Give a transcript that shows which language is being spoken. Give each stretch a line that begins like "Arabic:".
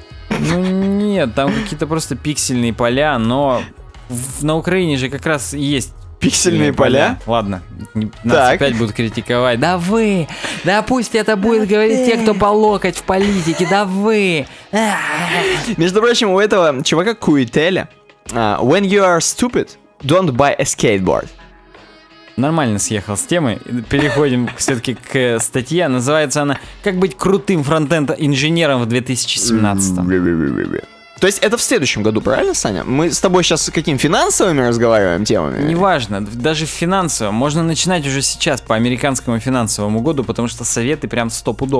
Russian: Ну нет, там какие-то просто пиксельные поля, но на Украине же как раз есть пиксельные поля. Ладно, нас так. Опять будут критиковать. Да вы! Да пусть это будет говорить те, кто по локоть в политике. Да вы! Между прочим, у этого чувака QWTEL.
English: When you are stupid, don't buy a skateboard.
Russian: Нормально съехал с темы. Переходим все-таки к статье. Называется она «Как быть крутым фронтенд-инженером в 2017-м». То есть это в следующем году, правильно, Саня? Мы с тобой сейчас с какими финансовыми разговариваем темами? Неважно, даже финансово. Можно начинать уже сейчас по американскому финансовому году, потому что советы прям стопудово.